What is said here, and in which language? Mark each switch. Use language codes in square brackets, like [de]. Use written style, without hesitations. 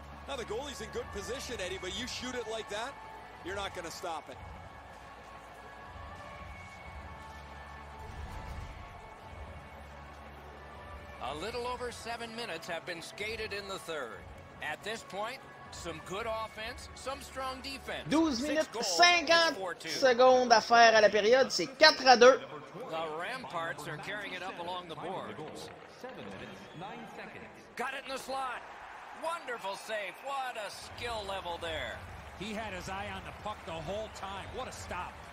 [en] Now the goalie's in good position, Eddie, but you shoot it like that, you're not going to stop it. A little over 7 minutes have been skated in the third. At this point, some good offense, some strong defense. [fr] 12 minutes 50 secondes à faire à la période, c'est 4-2. [en] The Ramparts are carrying it up along the boards. 7 minutes, 9 seconds. Got it in the slot. Wonderful save. What a skill level there. He had his eye on the puck the whole time. What a stop.